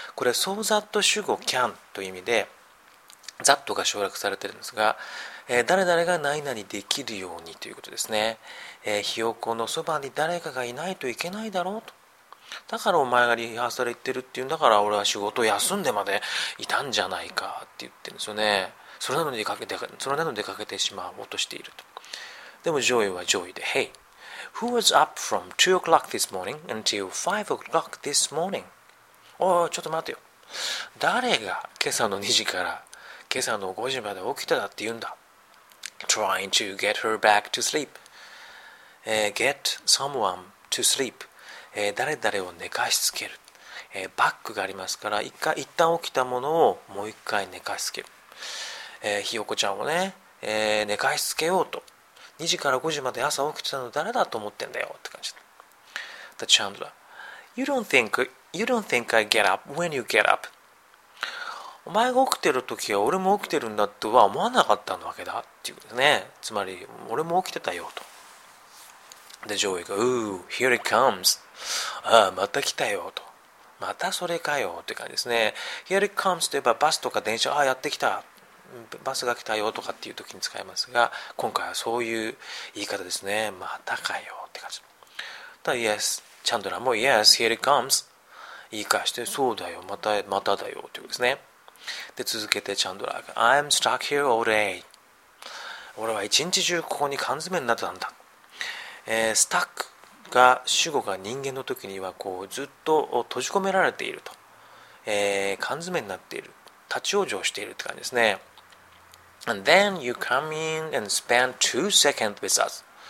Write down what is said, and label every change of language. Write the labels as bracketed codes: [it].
[ja] これ、 [en] so that [ja] 主語 can という意味で、that が省略されているんですが、誰々が何々できるようにということですね。ひよこのそばに誰かがいないといけないだろうと。だからお前がリハーサル行ってるっていうんだから、俺は仕事休んでまでいたんじゃないかって言ってるんですよね。それなのに出かけてしまおうとしていると。でもジョイはジョイで、 [en] Hey, who was up from 2 o'clock this morning until 5 o'clock this morning? [ja] おい、ちょっと待てよ。誰が今朝の2時から今朝の5時まで起きただって言うんだ。 [en] Trying to get her back to sleep. Get someone to sleep. [ja] 誰々を寝かしつける。バックがありますから、一旦起きたものをもう一回寝かしつける。ひよこちゃんをね、寝かしつけようと2時から5時まで朝起きてたの誰だと思ってんだよって感じ。 [en] The Chandler You don't think I get up when you get up? [ja] お前が起きてる時は俺も起きてるんだとは思わなかったんだわけだっていうことね。つまり俺も起きてたよと。 [en] The Joey が Ooh, here it comes. [ja] ああ、また来たよと。またそれかよって感じですね。 [en] Here it comes [ja] といえばバスとか電車、ああ、やってきた、バスが来たよとかっていう時に使いますが、今回はそういう言い方ですね。またかよって感じ。ただ Yes、 チャンドラーも [en] Yes, here it comes [ja] 言い返して、そうだよ、まただよってことですね。で続けてチャンドラーが [en] I'm stuck here all day。 [ja] 俺は一日中ここに缶詰になってたんだ。Stuck が主語が人間の時にはこうずっと閉じ込められていると、缶詰になっている、立ち往生しているって感じですね。 [en] And then you come in and spend 2 seconds with us.